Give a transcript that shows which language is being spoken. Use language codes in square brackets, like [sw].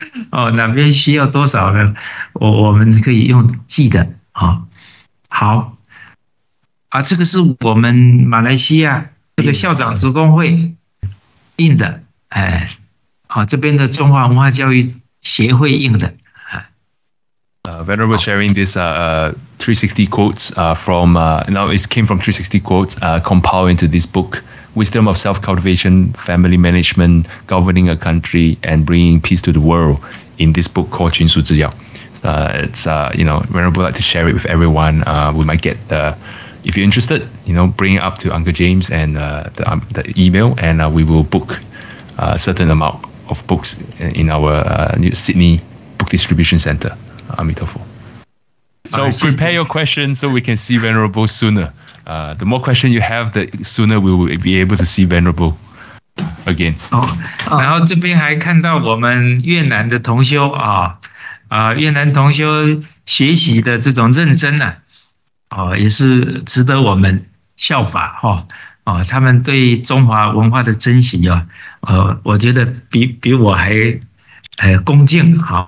[zh] 哪边需要多少呢？我们可以用寄的。好，这个是我们马来西亚这个校长职工会印的。这边的中华文化教育协会印的。 [en] Venerable sharing this 360 quotes from now it came from 360 quotes compiled into this book, Wisdom of Self-Cultivation, Family Management, Governing a Country, and Bringing Peace to the World in this book called 群书治要. Venerable like to share it with everyone. We might get the, if you're interested, you know, bring it up to Uncle James and the email, and we will book a certain amount of books in our new Sydney Book Distribution Center. 阿弥陀佛。So prepare your questions so we can see Venerable sooner. The more question you have, the sooner we will be able to see Venerable again. [zh] 然后这边还看到我们越南的同修越南同修学习的这种认真也是值得我们效法他们对中华文化的珍惜我觉得比我还恭敬